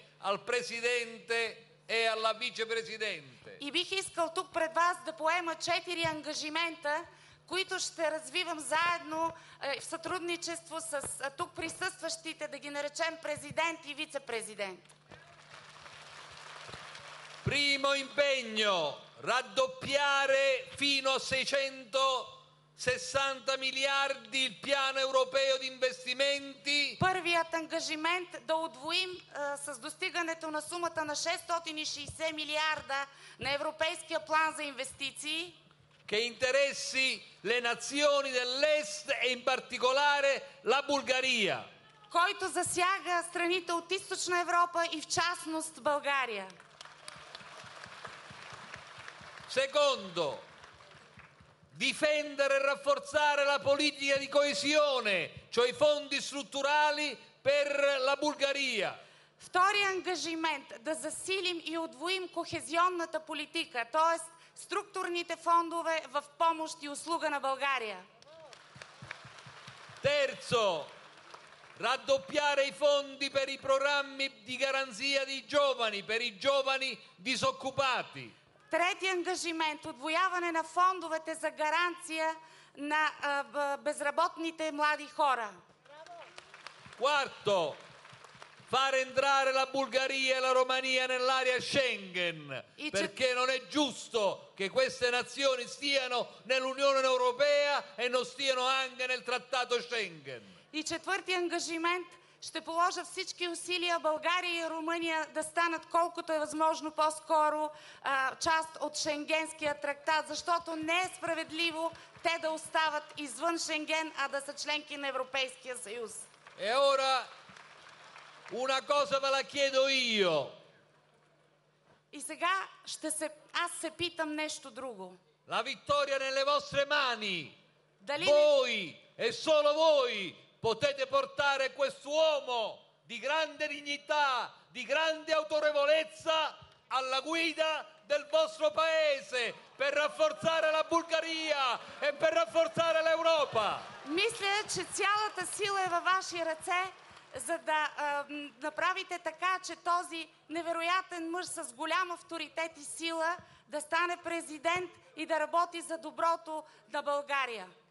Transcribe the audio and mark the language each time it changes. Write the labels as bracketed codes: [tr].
[it] al presidente e alla vicepresidente. [bg] И бих искал тук пред вас да поема 4 ангажимента, които ще развивам заедно в сътрудничество с тук присъстващите, да ги наречем президент и вицепрезидент. [it] Primo impegno, raddoppiare fino a 660 miliardi il piano europeo di investimenti. [bg] Първият ангажимент да удвоим с достигането на сумата на 660 милиарда на европейския план за инвестиции. [it] Che interessi le nazioni dell'est e in particolare la Bulgaria. [bg] Който засяга страните от Източна Европа и в частност България. [it] Secondo, difendere e rafforzare la politica di coesione, cioè i fondi strutturali per la Bulgaria. [bg] Втори ангажимент да засилим и удвоим кохезионната политика, т.е. структурните фондове в помощ и услуга на България. [it] Terzo, raddoppiare i fondi per i programmi di garanzia dei giovani, per i giovani disoccupati. [bg] Трети ангажимент – удвояване на фондовете за гаранция на безработните млади хора. [it] Quarto, far entrare la Bulgaria e la Romania nell'area Schengen, perché non è giusto che queste nazioni stiano nell'Unione Europea e non stiano anche nel trattato Schengen. [bg] И четвърти ангажимент – ще положа всички усилия България и Румъния да станат колкото е възможно по-скоро част от Шенгенския трактат, защото не е справедливо те да остават извън Шенген, а да са членки на Европейския съюз. [it] E ora una cosa ve la chiedo io. [bg] И сега аз се питам нещо друго. [it] La vittoria nelle vostre mani. [bg] Дали [it] voi e solo voi potete portare quest'uomo di grande dignità, di grande autorevolezza alla guida del vostro paese per rafforzare la Bulgaria e per rafforzare l'Europa. [bg] Мисля, че цялата сила е във ваши ръце, за да направите така, че този невероятен мъж с голям авторитет и сила да стане президент и да работи за доброто на България.